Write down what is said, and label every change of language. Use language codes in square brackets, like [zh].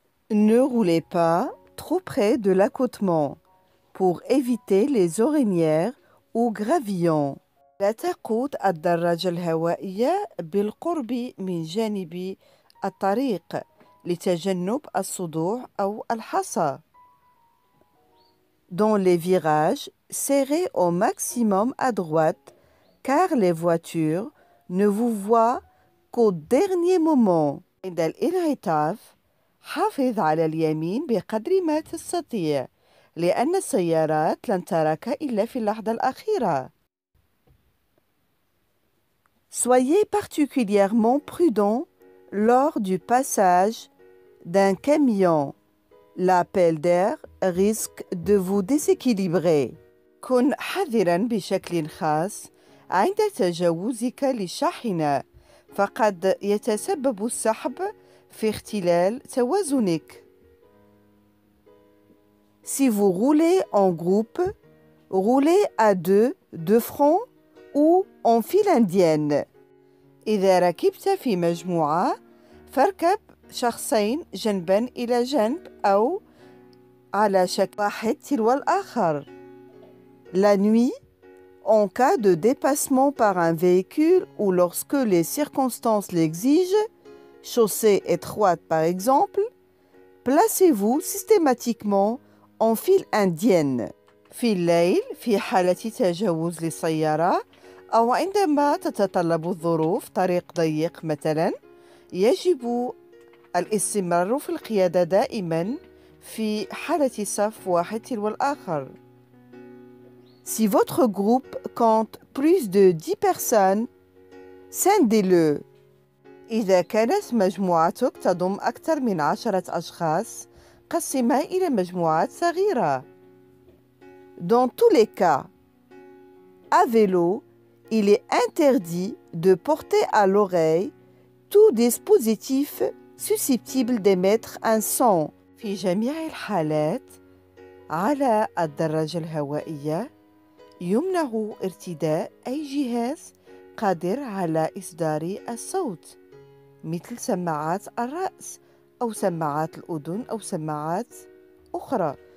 [fr] Ne roulez pas trop près de l'accotement. Pour éviter les orignières ou gravillons. [ar] لا تقود الدراجة الهوائية بالقرب من جانب الطريق لتجنب الصدوع أو الحصى. [fr] Dans les virages, serrez au maximum à droite car les voitures ne vous voient qu'au dernier moment. [ar] عند الانعطاف حافظ على اليمين بقدر ما تستطيع. لأن السيارات لن تراك إلا في اللحظة الأخيرة. [fr] Soyez particulièrement prudent lors du passage d'un camion. L'appel d'air risque de vous déséquilibrer. [ar] كن حذرا بشكل خاص عند تجاوزك للشاحنة. فقد يتسبب السحب في اختلال توازنك. [fr] Si vous roulez en groupe, roulez à deux de front ou en file indienne. [ar] إذا ركبت في مجموعة فاركب شخصين جنبا إلى جنب أو على شكل واحد تلو الآخر. [fr] La nuit, en cas de dépassement par un véhicule ou lorsque les circonstances l'exigent, chaussée étroite par exemple, placez-vous systématiquement en file indienne. [ar] في الليل في حالة تجاوز للسيارة أو عندما تتطلب الظروف طريق ضيق مثلا يجب الاستمرار في القيادة دائما في حالة صف واحد تلو الآخر. [fr] Si votre groupe compte plus de 10 personnes, scindez-le. [ar] إذا كانت مجموعتك تضم أكثر من 10 أشخاص، قسمها إلى مجموعات صغيرة. [fr] Dans tous les cas, à vélo, il est interdit de porter à l'oreille tout dispositif susceptible d'émettre un son. [ar] في جميع الحالات، على الدراجة الهوائية، يمنع ارتداء أي جهاز قادر على إصدار الصوت مثل سماعات الرأس أو سماعات الأذن أو سماعات أخرى.